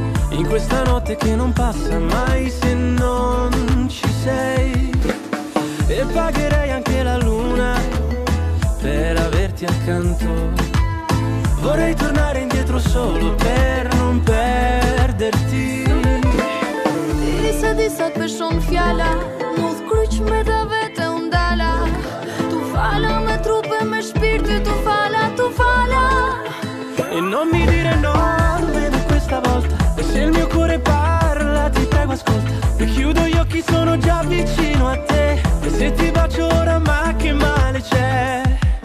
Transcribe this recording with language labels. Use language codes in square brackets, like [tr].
[it] In questa notte che non passa mai se non ci sei. E pagherei anche la luna per averti accanto. Vorrei tornare indietro solo per non perderti. [sq] Disa disa të peshon fjala, me dhe vete unë dala. Tu fala me trupe, me shpirti. Tu fala, tu fala. [it] E non mi dire no almeno questa volta. E se il mio cuore parla ti prego ascolta. E chiudo gli occhi, sono già vicino a te. E se ti bacio ora, ma che male c'è.